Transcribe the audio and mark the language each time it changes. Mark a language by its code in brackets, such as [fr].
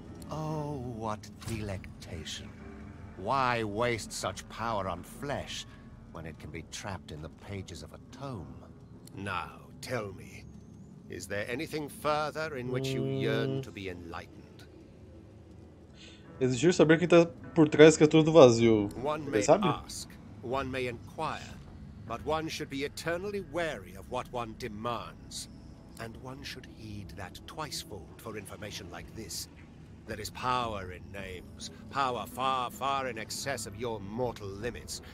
[en] Oh, what delectation. Why waste such power on flesh when it can be trapped in the pages of a tome? Now, tell me, is there anything further in which you yearn to be enlightened? [pt] Exigir saber quem está por trás das criaturas do vazio. [en] One may ask, one may inquire, but one should be eternally wary of what one demands. And one should heed that twicefold for information like this. There is power in names. Power far, far in excess of your mortal limits.